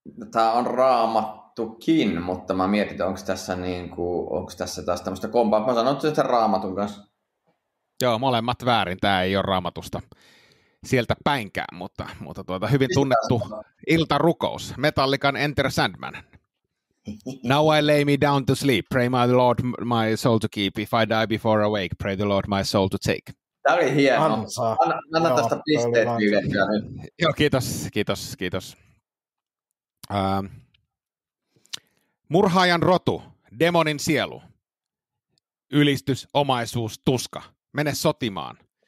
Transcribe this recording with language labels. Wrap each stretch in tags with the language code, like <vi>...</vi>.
<fi>Tämä on Raamattu. Tukin, mutta mä mietin, onko tässä, taas tämmöistä kompaa. Mä sanon, että Raamatun kanssa. Joo, molemmat väärin. Tämä ei ole Raamatusta sieltä päinkään, mutta hyvin tunnettu iltarukous. Metallican Enter Sandman.</fi> <en>Now I lay me down to sleep. Pray my Lord my soul to keep. If I die before awake, pray the Lord my soul to take.</en> <fi>Tämä oli hieno. Anna tästä pisteet yhdessä. Joo, kiitos. Murhaajan rotu, demonin sielu, ylistys, omaisuus, tuska, mene sotimaan.</fi>